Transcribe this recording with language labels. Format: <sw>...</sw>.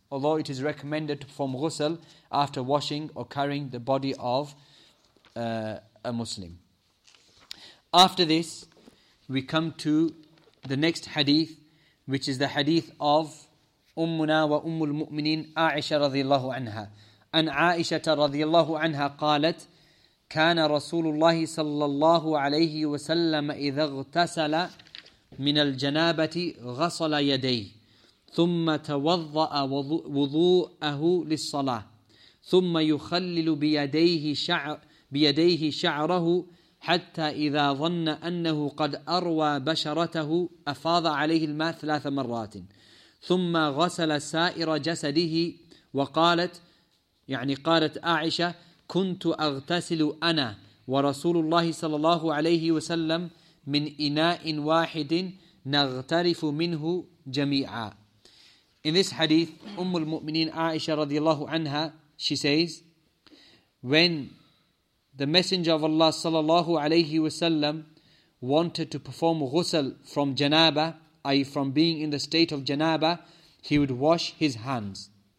<en>Although it is recommended to perform ghusl after washing or carrying the body of a Muslim. After this, we come to the next hadith, which is the hadith of</en> <ar>Ummuna wa Ummul Mu'mineen</ar> <en>Aisha radiallahu anha.</en> <ar>An Aisha radiallahu anha qalat, Kana Rasulullah sallallahu alayhi wa sallam idha ghtasala min al janabati ghasala yadayh, thumma tawadda'a wudu'ahu lis salah, thumma yukhallilu biyadayhi sha'rahu, حتى إذا ظن أنه قد أروى بشرته أفاض عليه الماء 3 مرات ثم غسل سائر جسده وقالت يعني قالت عائشة كنت أغتسل أنا ورسول الله صلى الله عليه وسلم من إناء واحد نغترف منه جميعا.</ar> <en>In this hadith,</en> <ar>أم المؤمنين عائشة رضي الله عنها,</ar> <en>she says, when the Messenger of Allah sallallahu alayhi wasallam wanted to perform ghusl from janaba, i.e. from being in the state of janaba, he would wash his hands.</en>